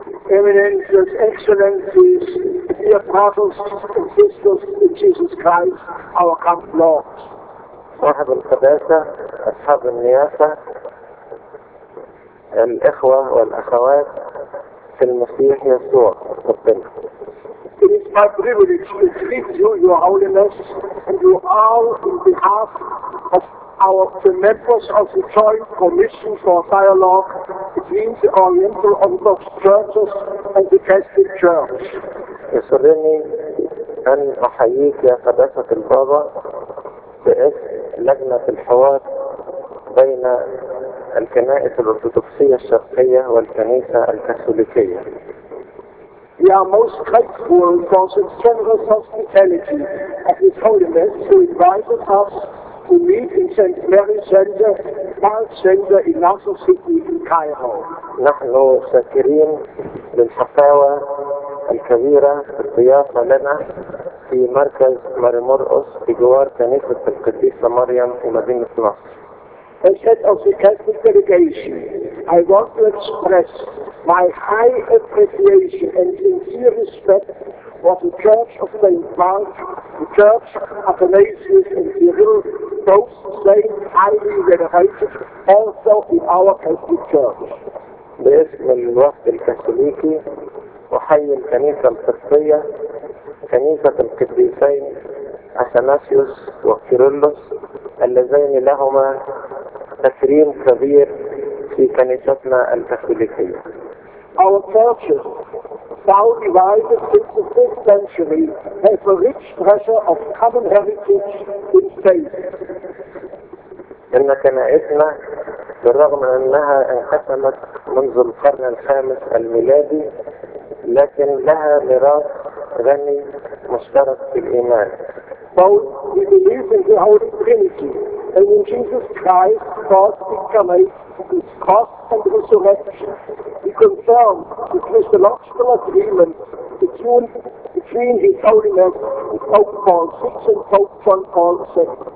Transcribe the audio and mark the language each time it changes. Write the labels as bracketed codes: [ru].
[en] Eminences, Excellencies, the Apostles and Sisters in Jesus Christ, our Common Lord. [ar] صاحب القداسة، أصحاب النياسة، الإخوة والأخوات في المسيح يسوع. [en] It is my privilege to greet you, Your Holiness, and you all on behalf of the members of the Joint Commission for Dialogue between the Oriental Orthodox Churches and the Catholic Church. [ar] يسرني أن أحييك يا قداسة البابا باسم لجنة الحوار بين الكنائس الأرثوذكسية الشرقية والكنيسة الكاثوليكية. [en] We are most grateful for the generous hospitality of His Holiness who invited us to meet in St. Mary's Center, Mark's Center in Nassau City in Cairo. [ar] نحن شاكرين للحفاوة الكبيرة في الضيافة لنا في مركز ماري مرقس في جوار كنيسة القديسة مريم في مدينة نصر. [en] As head of the Catholic delegation, I want to express my high appreciation and sincere respect for the Church of St. Mark, the Church of Athanasius and Cyril, both saints highly venerated also in our Catholic Church. [ar] باسم الوفد الكاثوليكي أحيي الكنيسة القسطية، كنيسة القديسين أثناسيوس وكيرلس اللذين لهما تكريم كبير في كنيستنا الكاثوليكية. [en] Our churches, now divided since the 5th century, have a rich treasure of common heritage in faith. [ar] إن كنائسنا بالرغم أنها انقسمت منذ القرن الخامس الميلادي لكن لها ميراث غني مشترك في الإيمان. [en] Both we believe in the Holy Trinity and in Jesus Christ, God incarnate, His cross and resurrection. We confirm the Christological agreement between His Holiness and Pope Paul VI and Pope John Paul II.